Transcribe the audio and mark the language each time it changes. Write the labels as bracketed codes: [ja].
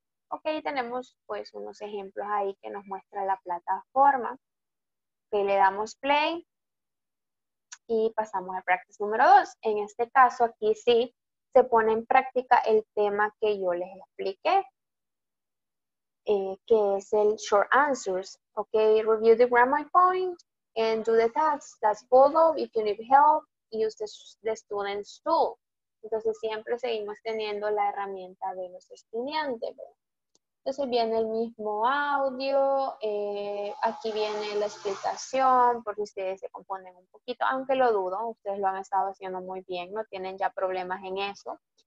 [es] Ok, tenemos pues unos ejemplos ahí que nos muestra la plataforma. Que le damos play y pasamos a practice número 2. En este caso aquí sí se pone en práctica el tema que yo les expliqué, que es el short answers. [en] Ok, review the grammar point and do the tasks. That's follow. If you need help, use the student's tool. [es] Entonces, siempre seguimos teniendo la herramienta de los estudiantes. Entonces, viene el mismo audio. Aquí viene la explicación, por si ustedes se componen un poquito. Aunque lo dudo, ustedes lo han estado haciendo muy bien. No tienen ya problemas en eso.